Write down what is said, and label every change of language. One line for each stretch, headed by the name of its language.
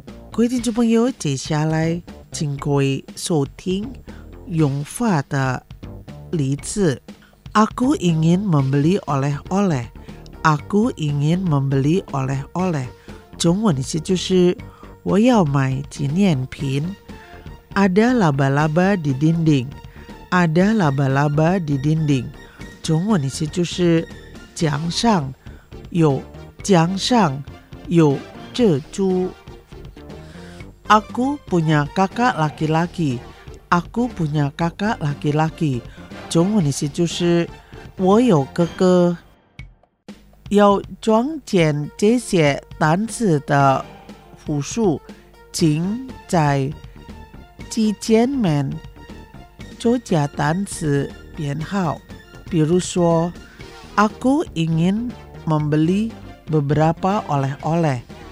Chinese: 各位听众朋友，接下来请各位收听用法的例子。
Indonesian: Aku ingin membeli oleh-oleh。 Aku ingin membeli oleh-oleh，
Chinese: 中文意思就是我要买纪念品。
Indonesian: Ada laba-laba di dinding， Ada laba-laba di dinding，
Chinese: 中文意思就是墙上有，墙上有蜘蛛。
Indonesian: Aku punya kakak laki-laki， Aku punya kakak laki-laki，
Chinese: 中文意思就是我有哥哥。要装填这些单词的复数，请在之前面做加单词编号。比如说
Indonesian: ，Aku ingin membeli beberapa oleh-oleh。